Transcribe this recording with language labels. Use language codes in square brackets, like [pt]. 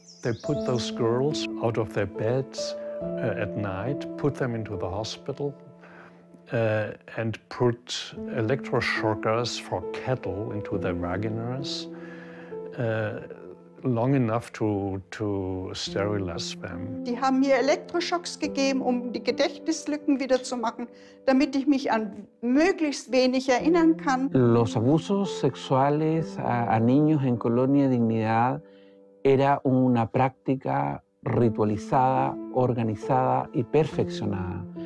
[en] They put those girls out of their beds at night, put them into the hospital, and put electroshockers for cattle into their vaginas, long enough to sterilize them. [de] Die haben mir Elektroschocks gegeben, um die Gedächtnislücken wieder zu machen, damit ich mich an möglichst wenig erinnern kann. [es] Los abusos sexuales a niños en Colonia Dignidad era una práctica ritualizada, organizada y perfeccionada.